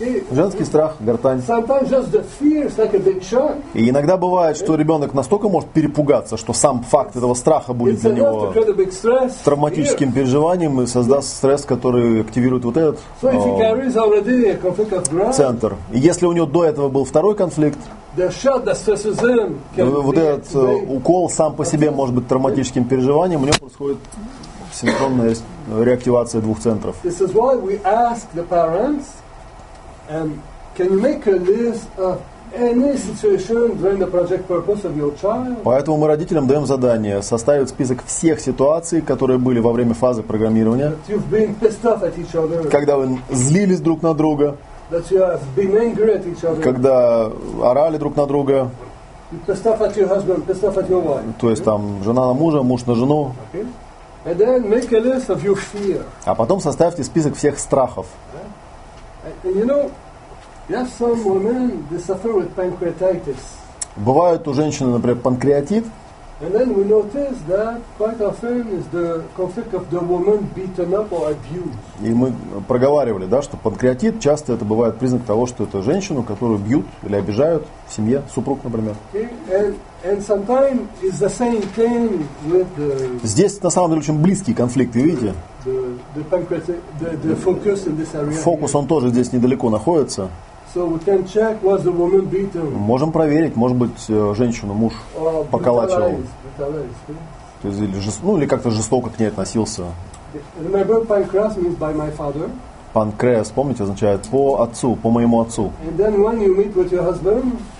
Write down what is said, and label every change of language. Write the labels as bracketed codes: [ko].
[ru] Женский страх, гортань. И иногда бывает, что ребенок настолько может перепугаться, что сам факт этого страха будет для него травматическим переживанием и создаст стресс, который активирует вот этот центр. И если у него до этого был второй конфликт, вот этот укол сам по себе может быть травматическим переживанием, у него происходит синхронная реактивация двух центров. [en] And can you make a list of any situation during the project purpose of your child? [ru] Поэтому мы родителям даем задание составить список всех ситуаций, которые были во время фазы программирования. [en] That you've been pissed off at each other. [ru] Когда вы злились друг на друга. [en] That you have been angry at each other. [ru] Когда орали друг на друга. [en] You pissed off at your husband, pissed off at your wife. [ru] То есть okay? Там жена на мужа, муж на жену. [en] Okay. And then make a list of your fear. [ru] А потом составьте список всех страхов. [en] You know, Yes, some women they suffer with pancreatitis. [ru] Бывает у женщины, например, панкреатит. [en] And then we notice that quite often is the conflict of the woman beaten up or abused. [ru] И мы проговаривали, да, что панкреатит часто это бывает признак того, что это женщину, которую бьют или обижают в семье, супруг, например. [en] And sometimes it's the same thing with the. [ru] Здесь на самом деле очень близкий конфликт, вы видите? [en] The pancreatic focus in this area. [ru] Фокус он тоже здесь недалеко находится. [en] So we can check, was the woman beaten? [ru] Можем проверить, может быть, женщину муж поколачивал. [en] Brutalized, yeah. [ru] Ну, или как-то жестоко к ней относился. [en] Remember, pancreas means by my father. [ru] Панкреас, помните, означает по отцу, по моему отцу. [en] And then when you meet with your husband,